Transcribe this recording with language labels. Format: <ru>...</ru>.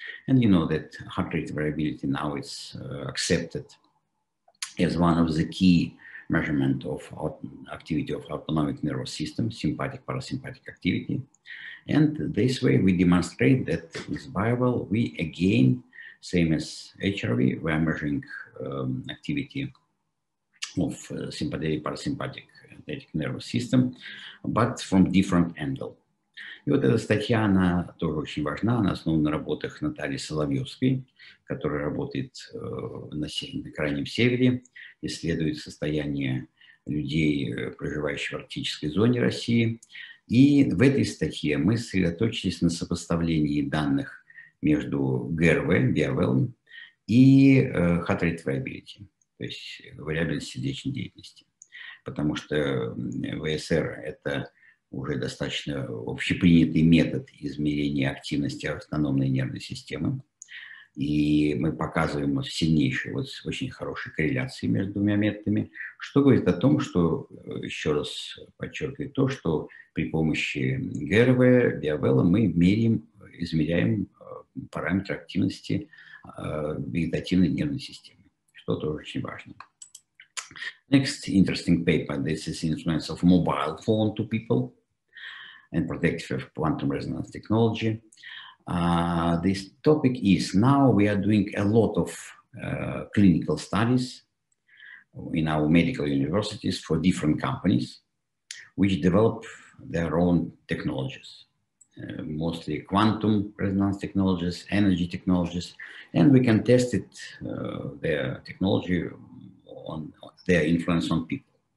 <en>And you know that heart rate variability now is accepted as one of the key measurement of activity of autonomic nervous system, sympathetic parasympathetic activity. And this way we demonstrate that with BioWell, we again, same as HRV, we are measuring activity of sympathetic parasympathetic nervous system, but from different angle.</en> <ru>И вот эта статья, она тоже очень важна, она основана на работах Натальи Соловьевской, которая работает на крайнем севере, исследует состояние людей, проживающих в арктической зоне России. И в этой статье мы сосредоточились на сопоставлении данных между ГРВ, BioWell, и heart rate variability, то есть вариабельность сердечной деятельности. Потому что ВСР — это уже достаточно общепринятый метод измерения активности автономной нервной системы. И мы показываем сильнейшие, вот очень хорошие корреляции между двумя методами, что говорит о том, что, еще раз подчеркиваю то, что при помощи ГРВ, BioWell мы измеряем параметры активности вегетативной нервной системы, что тоже очень важно.</ru> <en>Next interesting paper, this is influence of mobile phone to people and protective of quantum resonance technology. This topic is now we are doing a lot of clinical studies in our medical universities for different companies which develop their own technologies, mostly quantum resonance technologies, energy technologies, and we can test it, their technology on their influence on people.</en>